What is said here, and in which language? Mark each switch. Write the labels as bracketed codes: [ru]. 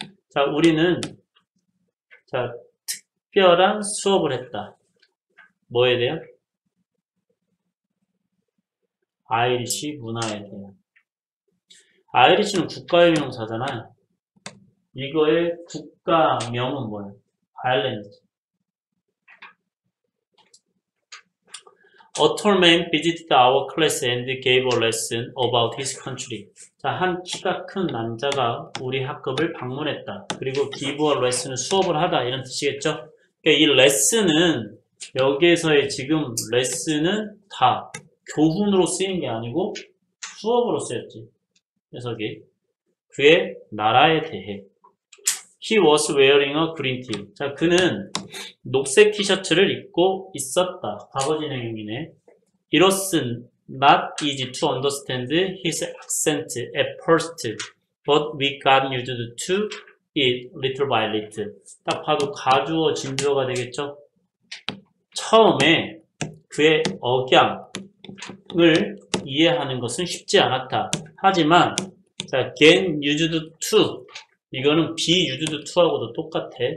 [ko] 자, 우리는 자, 특별한 수업을 했다. 뭐에 대한? Irish 문화에 대한. Irish는 국가의 명사잖아요. 이거의 국가명은 뭐예요? 아일랜드. [en] A tall man visited our class and gave a lesson about his country. [ko] 자, 한 키가 큰 남자가 우리 학급을 방문했다. 그리고 give a lesson, 수업을 하다 이런 뜻이겠죠? 그러니까 이 lesson은 여기에서의 지금 lesson은 다 교훈으로 쓰인 게 아니고 수업으로 쓰였지. 해석이. 그의 나라에 대해. [en] He was wearing a green tee. [ko] 자, 그는 녹색 티셔츠를 입고 있었다. 과거 진행형이네. [en] It was not easy to understand his accent at first, but we got used to it little by little. [ko] 딱 봐도 가주어, 진주어가 되겠죠? 처음에 그의 억양을 이해하는 것은 쉽지 않았다. 하지만, 자, [en] get used to. [ko] 이거는 be used to 하고도 똑같아.